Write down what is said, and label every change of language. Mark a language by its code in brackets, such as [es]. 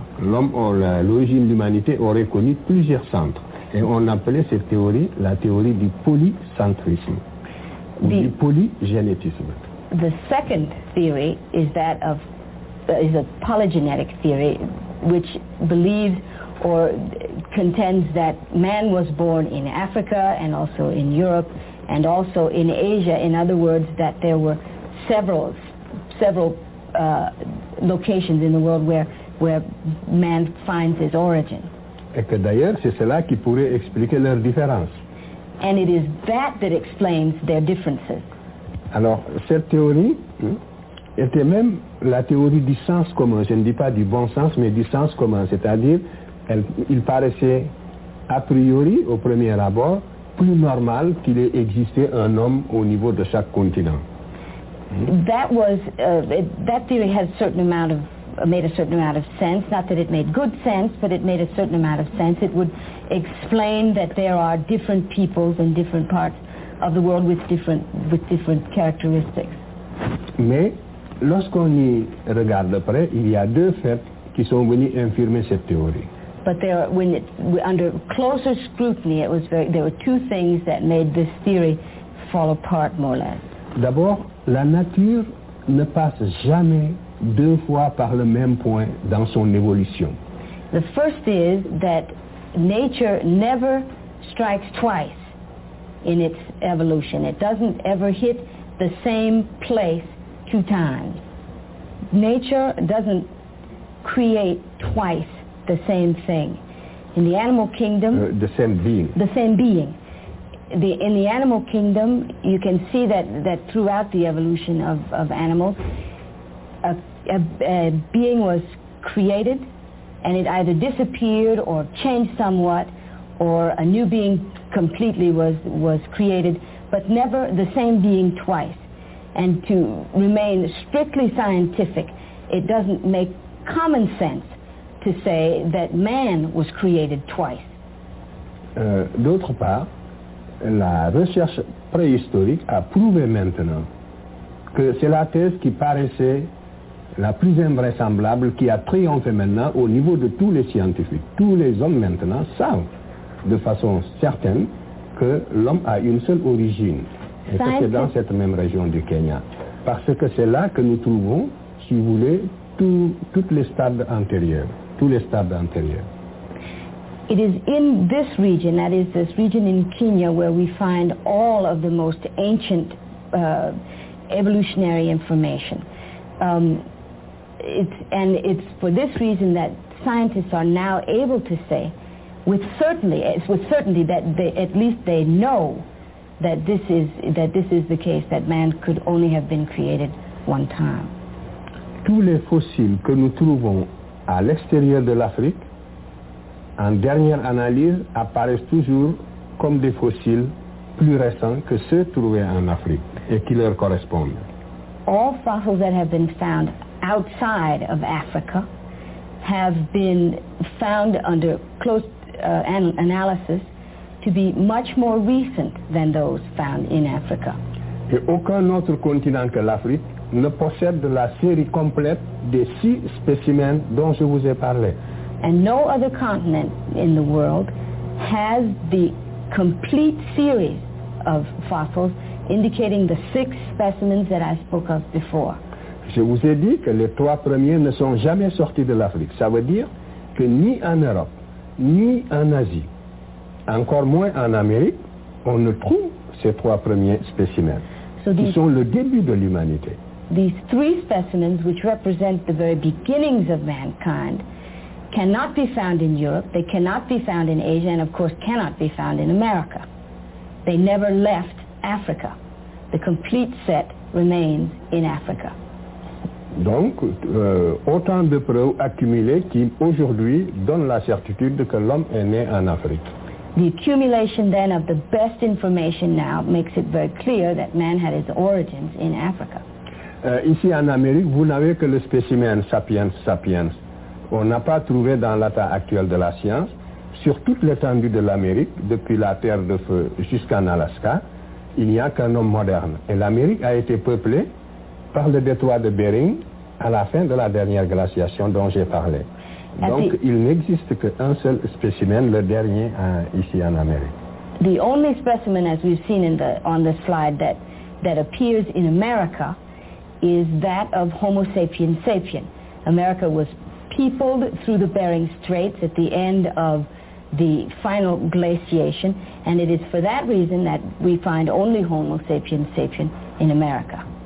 [fr] L'origine de l'humanité aurait connu plusieurs centres. Et on appelait cette théorie la théorie du polycentrisme, ou du polygénétisme. [en] The second theory is that of is a polygenetic theory, which believes or contends that man was born in Africa and also in Europe and also in Asia. In other words, that there were several locations in the world where man finds his origin. [fr] Et que d'ailleurs, c'est cela qui pourrait expliquer leurs différences. [en] And it is that explains their differences. [fr] Alors, cette théorie était même la théorie du sens commun. Je ne dis pas du bon sens, mais du sens commun. C'est-à-dire, il paraissait a priori, au premier abord, plus normal qu'il ait existé un homme au niveau de chaque continent. [en] That theory had a certain amount of made a certain amount of sense. Not that it made good sense, but it made a certain amount of sense. It would explain that there are different peoples in different parts of the world with different characteristics. [fr] Mais lorsqu'on y regarde de près, il y a deux faits qui sont venus infirmer cette théorie. [en] But under closer scrutiny, there were two things that made this theory fall apart more or less. [fr] D'abord, la nature ne passe jamais deux fois par le même point dans son évolution. [en] The first is that nature never strikes twice in its evolution. It doesn't ever hit the same place two times. Nature doesn't create twice the same thing. In the animal kingdom... The same being. In the animal kingdom, you can see that throughout the evolution of animals, a being was created, and it either disappeared or changed somewhat, or a new being completely was created, but never the same being twice. And to remain strictly scientific, it doesn't make common sense to say that man was created twice. [fr] D'autre part, la recherche préhistorique a prouvé maintenant que c'est la thèse qui paraissait la plus invraisemblable qui a triomphé maintenant au niveau de tous les scientifiques. Tous les hommes maintenant savent de façon certaine que l'homme a une seule origine. Et que c'est dans cette même région du Kenya. Parce que c'est là que nous trouvons, si vous voulez, tous les stades antérieurs. [en] It is in this region, that is this region in Kenya, where we find all of the most ancient evolutionary information. It's for this reason that scientists are now able to say with certainty that they, at least they know that this is the case, that man could only have been created one time. [fr] Tous les fossiles que nous trouvons à l'extérieur de l'Afrique, en dernière analyse, apparaissent toujours comme des fossiles plus récents que ceux trouvés en Afrique et qui leur correspondent. [en] All fossils that have been found outside of Africa have been found under close analysis to be much more recent than those found in Africa. [fr] Et aucun autre continent que l'Afrique ne possède la série complète des six spécimens dont je vous ai parlé. [en] And no other continent in the world has the complete series of fossils indicating the six specimens that I spoke of before. [fr] Je vous ai dit que les trois premiers ne sont jamais sortis de l'Afrique. Ça veut dire que ni en Europe, ni en Asie, encore moins en Amérique, on ne trouve ces trois premiers spécimens, qui sont le début de l'humanité. [en] These three specimens, which represent the very beginnings of mankind, cannot be found in Europe, they cannot be found in Asia, and of course cannot be found in America. They never left Africa. The complete set remains in Africa. [fr] Donc, autant de preuves accumulées qui aujourd'hui donnent la certitude que l'homme est né en Afrique. [en] The accumulation then of the best information now makes it very clear that man had his origins in Africa. [fr] Ici en Amérique, vous n'avez que le spécimen sapiens. On n'a pas trouvé dans l'état actuel de la science, sur toute l'étendue de l'Amérique, depuis la Terre de Feu jusqu'en Alaska, il n'y a qu'un homme moderne. Et l'Amérique a été peuplée par le détroit de Bering à la fin de la dernière glaciation dont j'ai parlé. Donc il n'existe qu'un seul spécimen, le dernier ici en Amérique. [en] The only specimen, as we've seen on the slide, that appears in America is that of Homo sapiens sapiens. America was peopled through the Bering Straits at the end of the final glaciation, and it is for that reason that we find only Homo sapiens sapiens in America.